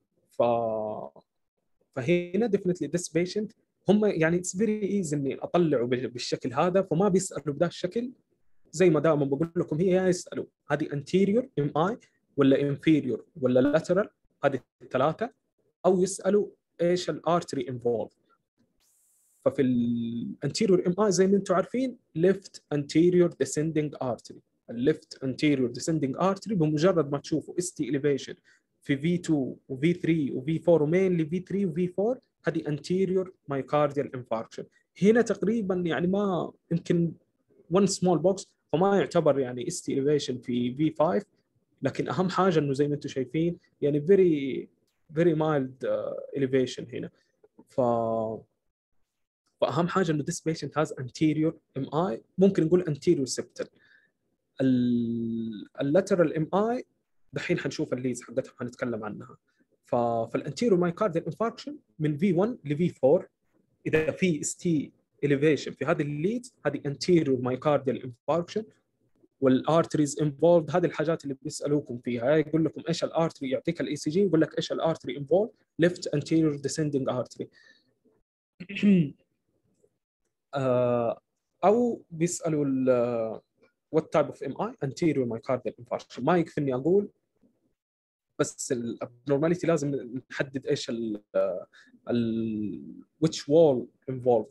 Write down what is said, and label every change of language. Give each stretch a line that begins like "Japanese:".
Arabic: فهنا
English: definitely this patient
Arabic: هم يعني
English: it's very easy
Arabic: اني اطلعه بالشكل هذا، فما بيسالوا بهذا الشكل. زي ما دائما بقول لكم هي يا يسالوا هذه anterior MI ولا inferior ولا lateral، هذه الثلاثه، او يسالوا ايش الارتري involved. ففي ال anterior MI زي ما انتم عارفين left anterior descending artery، ال left anterior descending artery بمجرد ما تشوفوا ST elevation في V2 و V3 و V4 و mainly V3 و V4، هذه anterior myocardial infarction. هنا تقريبا يعني ما يمكن one small box، فما يعتبر يعني ST elevation في V5، لكن أهم حاجة أنه زي ما أنتم شايفين يعني
English: very very mild elevation
Arabic: هنا. فأهم حاجة أنه
English: this patient has anterior MI،
Arabic: ممكن نقول anterior septal. ال lateral MI دحين حنشوف الليز حقتها حنتكلم عنها. فالانتيريور مايوكارديال انفاركشن من V1 لV4 اذا في ST
English: elevation.
Arabic: في هذه الليد هذه anterior myocardial infarction والارتريز انفولد، هذه الحاجات اللي بيسالوكم فيها، يقول لكم ايش الارتري، يعطيك الاي سي جي يقول لك ايش الارتري انفولد،
English: left anterior descending artery,
Arabic: او بيسالوا
English: what type of M I,
Arabic: انتيرير مايكارديال انفاركشن. ما يكفيني اقول بس النورماليتي، لازم نحدد ايش ال ويتش وول انفولد.